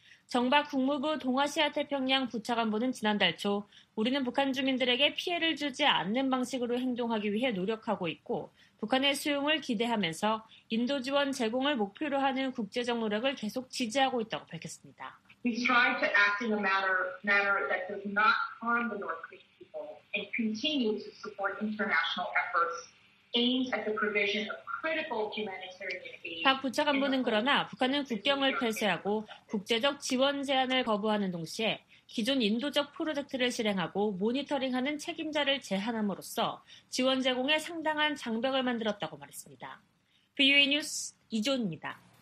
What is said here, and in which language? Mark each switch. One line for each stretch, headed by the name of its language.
Korean: 정박 국무부 동아시아태평양 부차관보는 지난달 초 우리는 북한 주민들에게 피해를 주지 않는 방식으로 행동하기 위해 노력하고 있고 북한의 수용을 기대하면서 인도 지원 제공을 목표로 하는 국제적 노력을 계속 지지하고 있다고 밝혔습니다.
English: We try to act in a manner that does not harm the North Korean people and continue to support international efforts aimed at the provision of
Korean: 박 부차관보는 그러나 북한은 국경을 폐쇄하고 국제적 지원 제한을 거부하는 동시에 기존 인도적 프로젝트를 실행하고 모니터링하는 책임자를 제한함으로써 지원 제공에 상당한 장벽을 만들었다고 말했습니다. VOA 뉴스 이존입니다.